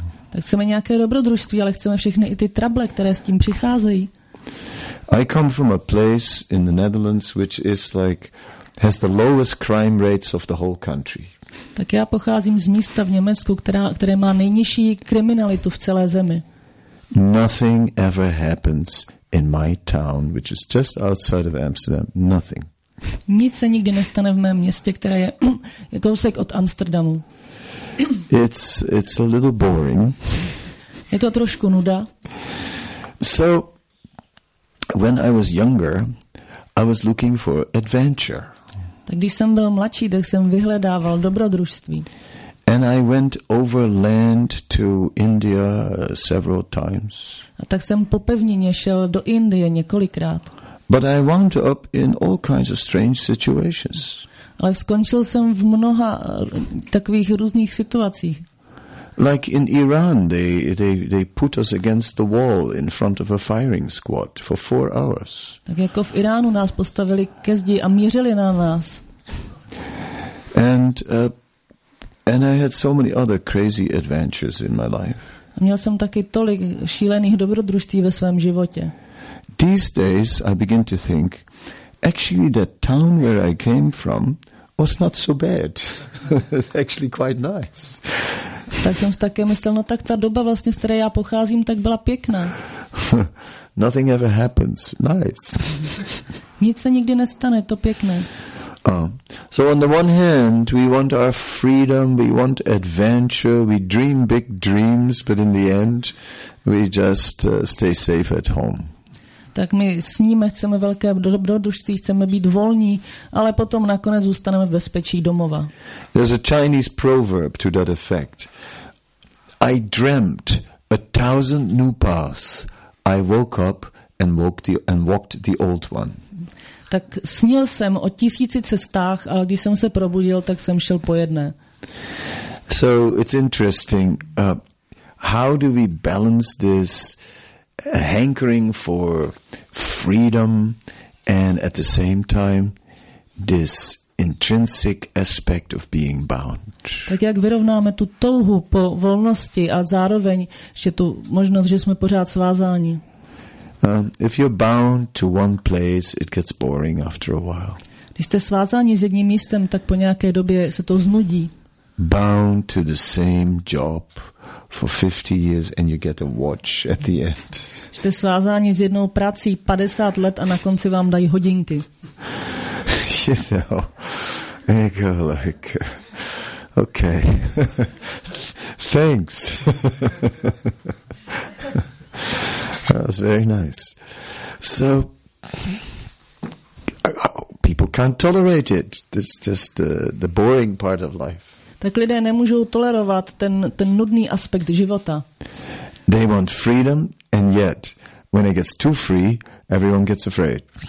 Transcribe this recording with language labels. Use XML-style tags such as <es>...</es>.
<cs>Tak chceme nějaké dobrodružství, ale chceme všechny i ty trable, které s tím přicházejí.</cs> <en>I come from a place in the Netherlands which is like has the lowest crime rates of the whole country.</en> <cs>Tak já pocházím z místa v Německu, které má nejnižší kriminalitu v celé zemi.</cs> <en>Nothing ever happens in my town, which is just outside of Amsterdam. Nothing.</en> <cs>Nic se nikdy nestane v mém městě, které je kousek od Amsterdamu.</cs> <en>It's a little boring.</en> <cs>Je to trošku nuda.</cs> <en>So when I was younger, I was looking for adventure.</en> <cs>Tak když jsem byl mladší, tak jsem vyhledával dobrodružství.</cs> <en>And I went overland to India several times.</en> <cs>A tak jsem po pevnině šel do Indie několikrát.</cs> <en>But I wound up in all kinds of strange situations.</en> <cs>Ale skončil jsem v mnoha takových různých situacích.</cs> <en>Like in Iran, they put us against the wall in front of a firing squad for 4 hours.</en> <cs>Tak jako v Iránu nás postavili ke zdi a mířili na nás.</cs> <en>And I had so many other crazy adventures in my life.</en> <cs>A měl jsem taky tolik šílených dobrodružství ve svém životě.</cs> <en>These days I begin to think, actually that town where I came from was not so bad. It's actually quite nice.</en> <cs>Tak jsem si také myslel, no tak ta doba vlastně, z které já pocházím, tak byla pěkná.</cs> <en>Nothing ever happens. Nice.</en> <cs>Nic se nikdy nestane, to pěkné.</cs> <en>So on the one hand, we want our freedom, we want adventure, we dream big dreams, but in the end, we just stay safe at home.</en> <cs>Tak my sníme, chceme velké dobrodružství, chceme být volní, ale potom nakonec zůstaneme v bezpečí domova.</cs> <en>There's a Chinese proverb to that effect. I dreamt 1,000 new paths. I woke up and walked the old one.</en> <cs>Tak snil jsem o 1,000 cestách, ale když jsem se probudil, tak jsem šel po jedné.</cs> <en>So it's interesting. How do we balance this hankering for freedom and at the same time this intrinsic aspect of being bound.</en> <cs>Tak jak vyrovnáme tu touhu po volnosti a zároveň ještě tu možnost, že jsme pořád svázáni.</cs> <en>If you're bound to one place, it gets boring after a while.</en> <cs>Když jste svázáni s jedním místem, tak po nějaké době se to znudí.</cs> <en>Bound to the same job for 50 years and you get a watch at the end.</en> <cs>Jste svázáni s jednou prací 50 let a na konci vám dají hodinky.</cs> <en>You know, go like, okay, thanks. That was very nice. So, people can't tolerate it. It's just the boring part of life.</en> <cs>Tak lidé nemůžou tolerovat ten nudný aspekt života.</cs> <en>They want freedom, and yet, when it gets too free, everyone gets afraid.</en>